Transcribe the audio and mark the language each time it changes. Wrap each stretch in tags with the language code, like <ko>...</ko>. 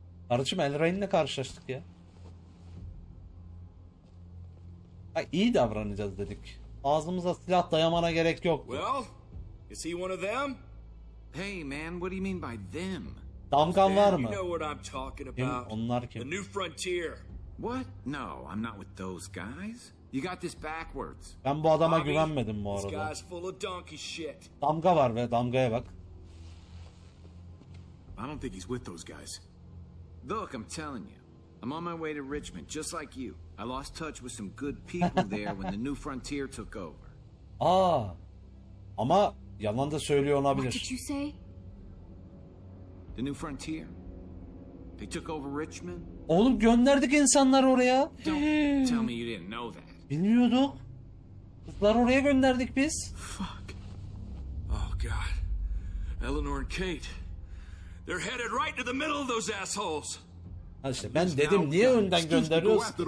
<tr>Arıcım, Elrain'le karşılaştık ya. İyi davranacağız dedik. Ağzımıza silah dayamana gerek yok.</tr> <en>Well, is he one of them? Hey man, what do you mean by them?</en> <tr>Damgan var mı?</tr> <en>You know what I'm talking about.</en> <tr>Kim? Onlar kim?</tr> <en>The new frontier. What? No, I'm not with those guys. You got this backwards.</en> <tr>Ben bu adama güvenmedim bu arada.</tr> <en>This guy's full of donkey shit.</en> <tr>Damga var ve damgaya bak.</tr> <en>I don't think he's with those guys. Look, I'm telling you. I'm on my way to Richmond, just like you. I lost touch with some good people there when the new frontier took over.</en> <tr>Aa, ama yalan da söylüyor olabilir.</tr> <en>What did you say? The new frontier? They took over Richmond?</en> <tr>Oğlum gönderdik insanlar oraya.</tr> <en>Don't tell me you didn't know that.</en> <tr>Bilmiyorduk. Kızları oraya gönderdik biz.</tr> <en>Fuck. Oh God. Eleanor and Kate. They're headed right to the middle of those assholes.</en> <tr>İşte ben dedim niye önden gönderiyoruz?</tr>